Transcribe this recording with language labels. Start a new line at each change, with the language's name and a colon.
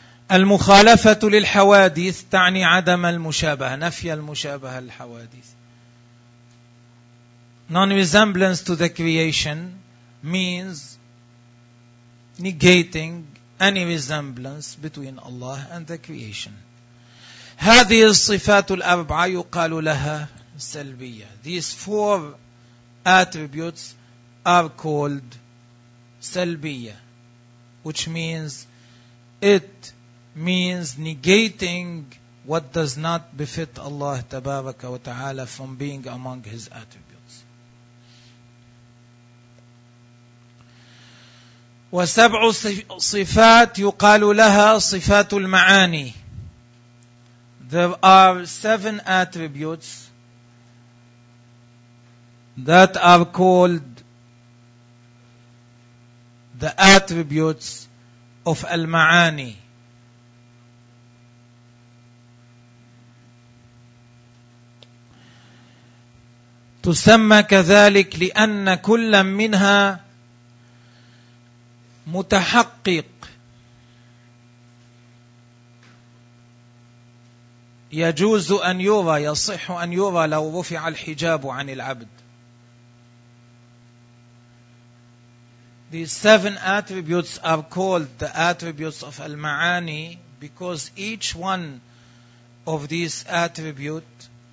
Arabic: المخالفة للحوادث تعني عدم المشابهة, نفي المشابهة للحوادث.
English: Non-resemblance to the creation means negating any resemblance between Allah and the creation.
Arabic: هذه الصفات الأربعة يقال لها سلبية.
English: These four attributes are called سلبية, which means it means negating what does not befit Allah
Arabic: تبارك وتعالى
English: from being among His attributes.
Arabic: وسبع صفات يقال لها صفات المعاني.
English: There are seven attributes that are called the attributes of المعاني.
Arabic: تسمى كذلك لأن كل منها متحقق يجوز أن يرى, يصح أن يرى لو رفع الحجاب عن العبد.
English: These seven attributes are called the attributes of المعاني because each one of these attributes